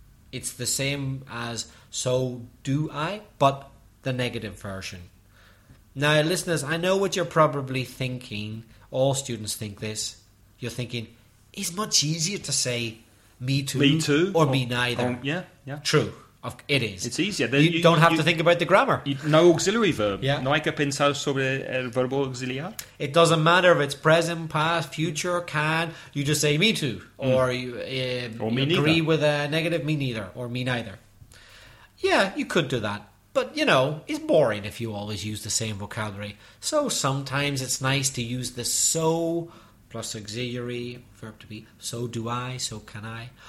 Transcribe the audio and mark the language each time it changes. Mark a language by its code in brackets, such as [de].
[en] It's the same as so do I, but the negative version. Now, listeners, I know what you're probably thinking. All students think this. You're thinking, it's much easier to say me too. Me too. Or me neither. Yeah, yeah. True. It is. It's easier. You don't have to think about the grammar. No auxiliary verb. Yeah. [es] No hay que pensar sobre el verbo auxiliar. [en] It doesn't matter if it's present, past, future, can. You just say me too. Mm. Or you agree with a negative, me neither. Or me neither. Yeah, you could do that. But, you know, it's boring if you always use the same vocabulary. So sometimes it's nice to use the so plus auxiliary, verb to be, so do I, so can I.